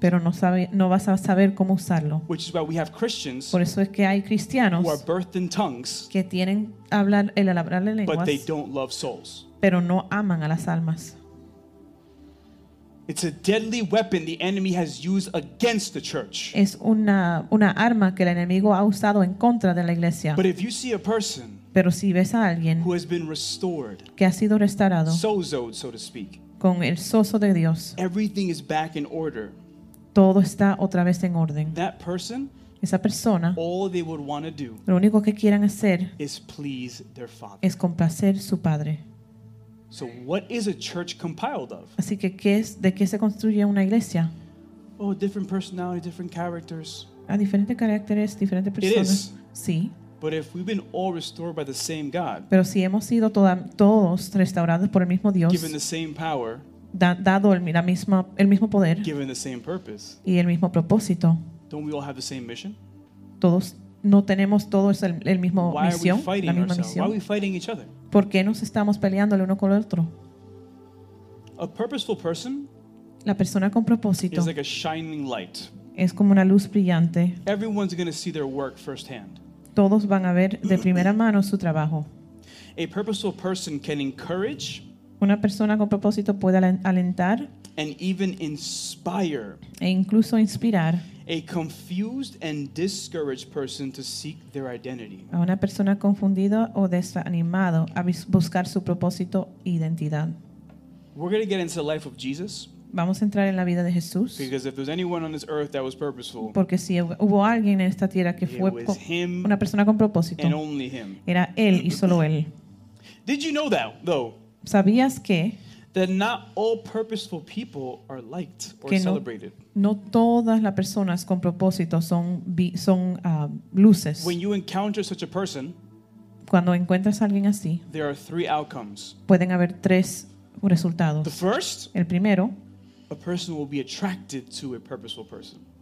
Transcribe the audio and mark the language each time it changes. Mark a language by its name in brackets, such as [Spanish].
[Spanish] Pero no vas a saber cómo usarlo. [English] Which is why we have Christians. [Spanish] Por eso es que hay cristianos [English] who are birthed in tongues. [Spanish] Que tienen hablarle lenguas, [English] but they don't love souls. [Spanish] Pero no aman a las almas. [English] It's a deadly weapon the enemy has used against the church. [Spanish] Es una arma que el enemigo ha usado en contra de la iglesia. [English] But if you see a person, [Spanish] Pero si ves a alguien [English] who has been restored, [Spanish] que ha sido restaurado, [English] sozoed, so to speak, [Spanish] con el soso de Dios, [English] everything is back in order. [Spanish] Todo está otra vez en orden. [English] That person, [Spanish] esa persona, [English] all they would want to do, [Spanish] lo único que quieran hacer, [English] is please their father, [Spanish] es complacer su padre. [English] So what is a church compiled of? [Spanish] Así que qué es, de qué se construye una iglesia? [English] Oh, different personalities, different characters. [Spanish] A diferentes caracteres, diferentes personas. [English] It is. [Spanish] Sí. [English] But if we've been all restored by the same God, [Spanish] pero si hemos sido todos restaurados por el mismo Dios, [English] given the same power, [Spanish] dado el mismo poder, [English] given the same purpose, [Spanish] y el mismo propósito, [English] don't we all have the same mission? [Spanish] Todos no tenemos todos el mismo misión, la misma misión. [English] Why are we fighting each other? [Spanish] ¿Por qué nos estamos peleando el uno con el otro? [English] A purposeful person, [Spanish] la persona con propósito, [English] is like a shining light. [Spanish] Es como una luz brillante. [English] Everyone's going to see their work firsthand. [Spanish] Todos van a ver de primera mano su trabajo. [English] A purposeful person can encourage. [Spanish] Una persona con propósito puede alentar. [English] And even inspire. [Spanish] E incluso inspirar. [English] A confused and discouraged person to seek their identity. [Spanish] A una persona confundida o desanimada a buscar su propósito e identidad. [English] We're going to get into the life of Jesus. [Spanish] Vamos a entrar en la vida de Jesús. [English] Because if there's anyone on this earth that was purposeful, [Spanish] porque si hubo alguien en esta tierra que fue una persona con propósito, [English] and only him. [Spanish] Era él y solo él. [English] Did you know that, though? [Spanish] ¿Sabías que? [English] That not all purposeful people are liked or [Spanish] que [English] celebrated. [Spanish] No todas las personas con propósito son luces. [English] When you encounter such a person, [Spanish] cuando encuentras a alguien así, [English] there are three outcomes. [Spanish] Pueden haber tres resultados. [English] The first, [Spanish] el primero, [English] a person will be attracted to a purposeful person.